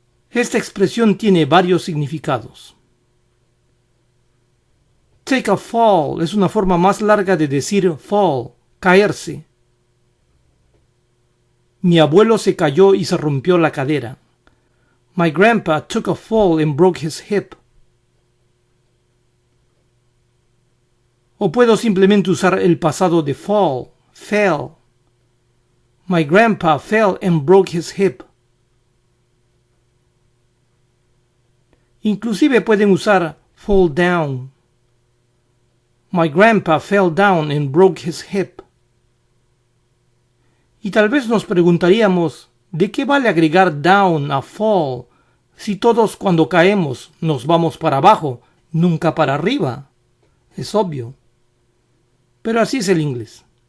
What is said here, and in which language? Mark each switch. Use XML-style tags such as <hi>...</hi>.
<es>Esta expresión tiene varios significados. Take a fall es una forma más larga de decir fall, caerse. Mi abuelo se cayó y se rompió la cadera.</es> <en>My grandpa took a fall and broke his hip.</en> <es>O puedo simplemente usar el pasado de fall, fell.</es> <en>My grandpa fell and broke his hip.</en> <es>Inclusive pueden usar fall down.</es> <en>My grandpa fell down and broke his hip.</en> <es>Y tal vez nos preguntaríamos, ¿de qué vale agregar down a fall si todos cuando caemos nos vamos para abajo, nunca para arriba? Es obvio. Pero así es el inglés.</es>